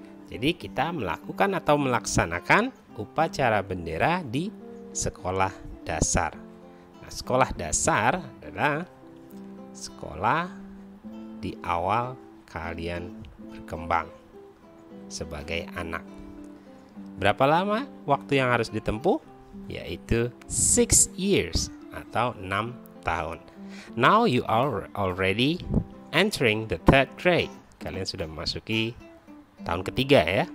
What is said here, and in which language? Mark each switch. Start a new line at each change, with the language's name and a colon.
Indonesian: Jadi kita melakukan atau melaksanakan upacara bendera di sekolah dasar. Nah, sekolah dasar adalah sekolah di awal kalian berkembang sebagai anak. Berapa lama waktu yang harus ditempuh? Yaitu 6 years atau 6 tahun.
English: Now you are already entering the third grade.
Indonesian: Kalian sudah memasuki tahun ketiga ya.